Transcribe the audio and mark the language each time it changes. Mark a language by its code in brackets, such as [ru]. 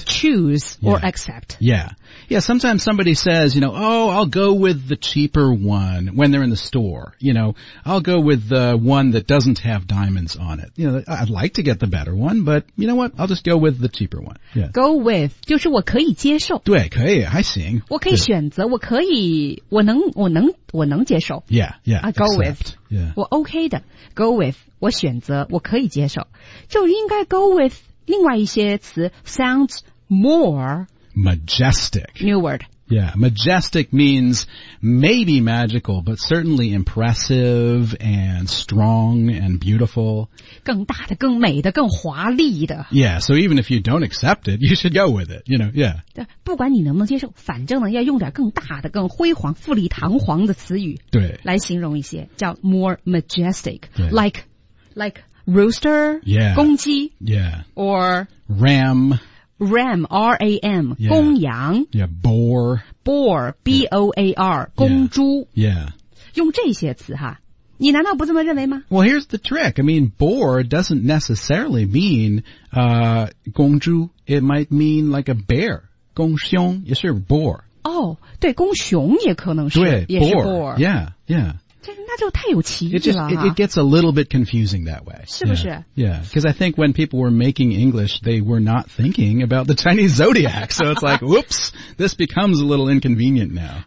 [en] choose, or、yeah. accept. Yeah. Yeah, sometimes somebody says, you know, oh, I'll go with the cheaper one when they're in the store. You know, I'll go with the one that doesn't have diamonds on it. You know, I'd like to get the better one, but you know what? I'll just go with the cheaper one.、Yeah. Go with, [zh] 就是我可以接受。对可以还行。我可以选择我可以我能接受。 [en] Yeah, yeah. I go、 except. with.、 Yeah. [zh] 我 OK 的。 [en] Go with, [zh] 我选择我可以接受。就应该 go with 另外一些词 [en] sounds more, Majestic. New word. Yeah. Majestic means maybe magical, but certainly impressive and strong and beautiful. [zh] 更大的更美的更华丽的。 [en] Yeah. So even if you don't accept it, you should go with it. You know, yeah. [zh] 对不管你能不能接受反正呢要用点更大的更辉煌富丽堂皇的词语。对。来形容一些叫 more majestic. 对。 [en] Like rooster. Yeah. [zh] 公鸡。 [en] Yeah. Or ram. Ram, R-A-M, yeah. [zh] 公羊 [en] Yeah, boar. Boar, B-O-A-R, yeah. [zh] 公猪 [en] Yeah. [zh] 用这些词哈你难道不这么认为吗 [en] Well, here's the trick. I mean, boar doesn't necessarily mean, [zh] 公猪 [en] It might mean like a bear. [zh] 公熊 也是 boar. 哦、oh, 对公熊也可能是对也是 boar. [en] Yeah, yeah. [zh] 那就太有歧义了 [en] it gets a little bit confusing that way [zh] 是不是 [en] yeah because、yeah. I think when people were making English they were not thinking about the Chinese zodiac so it's like whoops this becomes a little inconvenient now